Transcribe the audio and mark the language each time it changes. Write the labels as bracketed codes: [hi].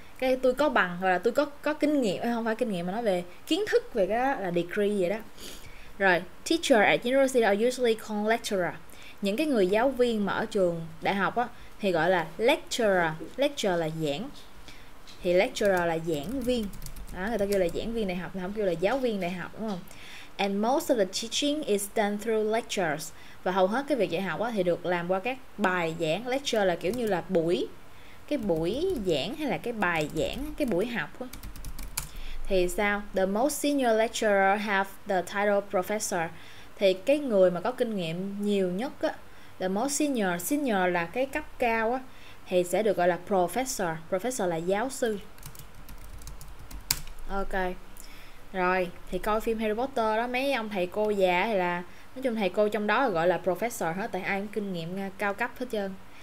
[vi] Cái tôi có bằng hoặc là tôi có kinh nghiệm, không phải kinh nghiệm mà nói về kiến thức về cái đó là degree vậy đó. Rồi, [en] teacher at university are usually called lecturer. [vi] Những cái người giáo viên mà ở trường đại học á thì gọi là lecturer. Lecturer là giảng. Thì lecturer là giảng viên. Đó, người ta kêu là giảng viên đại học, không kêu là giáo viên đại học đúng không? [en] And most of the teaching is done through lectures. [vi] Và hầu hết cái việc dạy học á, thì được làm qua các bài giảng. Lecture là kiểu như là buổi, cái buổi giảng hay là cái bài giảng, cái buổi học á. Thì sao? [en] The most senior lecturer have the title professor. [vi] Thì cái người mà có kinh nghiệm nhiều nhất á, [en] the most senior, [vi] senior là cái cấp cao á, thì sẽ được gọi là professor. Professor là giáo sư. Ok. Rồi, thì coi phim Harry Potter đó, mấy ông thầy cô già thì là nói chung thầy cô trong đó gọi là professor hết, tại ai cũng kinh nghiệm cao cấp hết trơn.